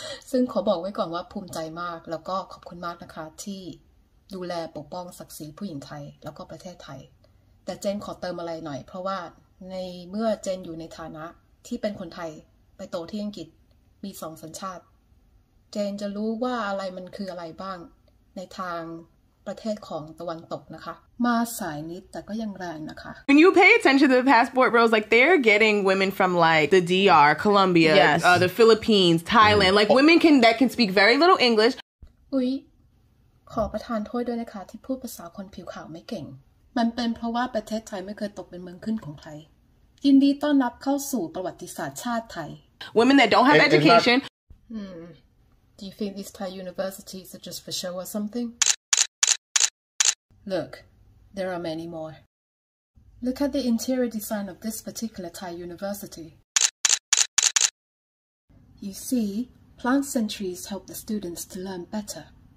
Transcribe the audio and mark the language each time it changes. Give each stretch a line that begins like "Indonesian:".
Thai: ซึ่งขอบอกไว้ก่อนว่าภูมิใจมากแล้วก็ขอบคุณมากนะคะที่ดูแลปกป้องศักดิ์ศรีผู้หญิงไทยแล้วก็ประเทศไทยแต่เจนขอเติมอะไรหน่อยเพราะว่าในเมื่อเจนอยู่ในฐานะที่เป็นคนไทยไปโตที่อังกฤษมี2 สัญชาติเจนจะรู้ว่าอะไรมันคืออะไรบ้างในทางประเทศของตะวันตกนะคะมาสายนิดแต่ก็ยังแรงนะคะ
English: When you pay attention to the passport rolls like they're getting women from like the DR Colombia yes. The Philippines Thailand mm. like women can that can speak very little English
Thai: อุ๊ยขอประทานโทษด้วยนะคะที่พูดภาษาคนผิวขาวไม่เก่งมันเป็นเพราะว่าประเทศไทยไม่เคยตกเป็นเมืองขึ้นของใครยินดีต้อนรับเข้าสู่ประวัติศาสตร์ชาติไทย
English: Women that don't have education Do you think these Thai universities are just for show or something? Look, there are many more. Look at the interior design of this particular Thai university. You see, plant centuries help the students to learn better.